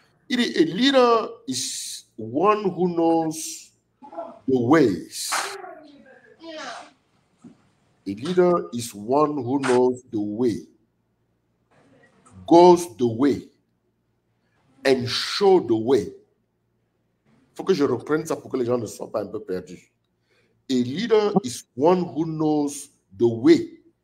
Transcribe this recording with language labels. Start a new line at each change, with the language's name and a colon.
French: Il dit,
English: a leader is one who knows the ways. A leader is one who knows the way, goes the way, and show the way.
French: Il faut que je reprenne ça pour que les gens ne soient pas un peu perdus.
English: A leader is one who knows the way.